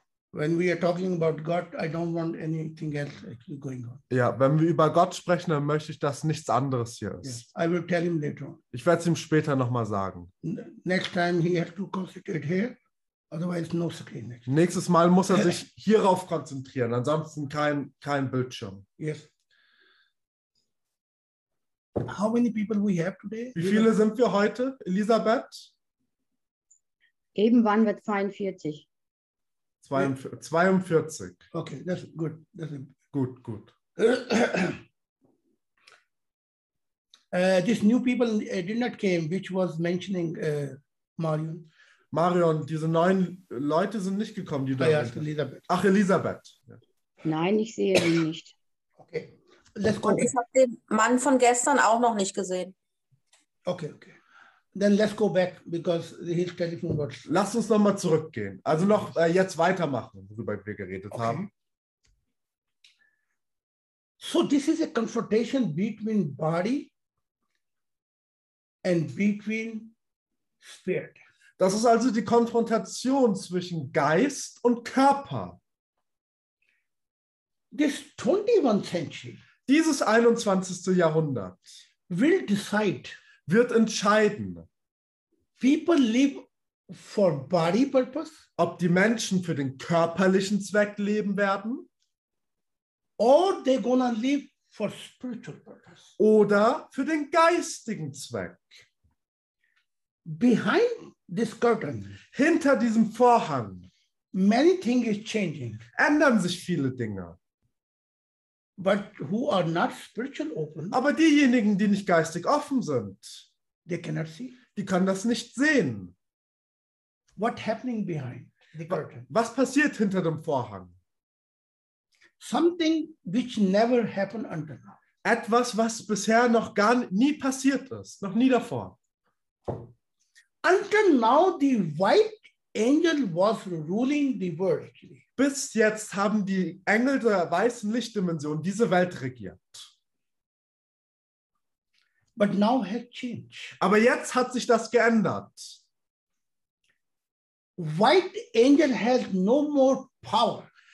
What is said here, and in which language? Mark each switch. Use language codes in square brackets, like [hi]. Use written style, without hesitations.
[en] When we are talking about God, I don't want anything else actually going on. [de] Ja, wenn wir über Gott sprechen, dann möchte ich, dass nichts anderes hier ist. [en] Yes. I will tell him later on. [de] Ich werde es ihm später nochmal sagen. [en] Next time he has to concentrate here. Otherwise no screen. [de] Nächstes Mal muss er sich hierauf konzentrieren, ansonsten kein Bildschirm. [en] Yes. How many people we have today? [de] Wie viele sind wir heute, Elisabeth? Eben waren wir 42. 42. [en] Okay, that's good. That's a... [de] Gut. [en] This new people did not came, which was mentioning Marion. [de] Marion, diese neuen Leute sind nicht gekommen, die da Elisabeth. Ach, Elisabeth. Ja. Nein, ich sehe sie nicht. Okay. [en] Let's go. [de] Und ich habe den Mann von gestern auch noch nicht gesehen. Okay. [en] Then let's go back, because his telephone was... [de] Lass uns nochmal zurückgehen. Also noch jetzt weitermachen, worüber wir geredet haben. [en] So this is a confrontation between body and between spirit. [de] Das ist also die Konfrontation zwischen Geist und Körper. [en] This 21st century. [de] Dieses 21. Jahrhundert [en] will decide, [de] wird entscheiden. [en] People live for body purpose, [de] ob die Menschen für den körperlichen Zweck leben werden, [en] or they gonna live for spiritual purpose, [de] oder für den geistigen Zweck. [en] Behind this curtain, [de] hinter diesem Vorhang, [en] many things is changing, [de] ändern sich viele Dinge. [en] But who are not spiritual open, [de] aber diejenigen, die nicht geistig offen sind, [en] they cannot see, [de] die können das nicht sehen. [en] What happening behind the curtain? [de] Was passiert hinter dem Vorhang? [en] Something which never happened until now. [de] Etwas, was bisher noch gar nie passiert ist, noch nie davor. [en] Until now, the white angel was ruling the world. Actually. [de] Bis jetzt haben die Engel der weißen Lichtdimension diese Welt regiert. [en] But now has changed. [de] Aber jetzt hat sich das geändert. [en] White angel has no more power.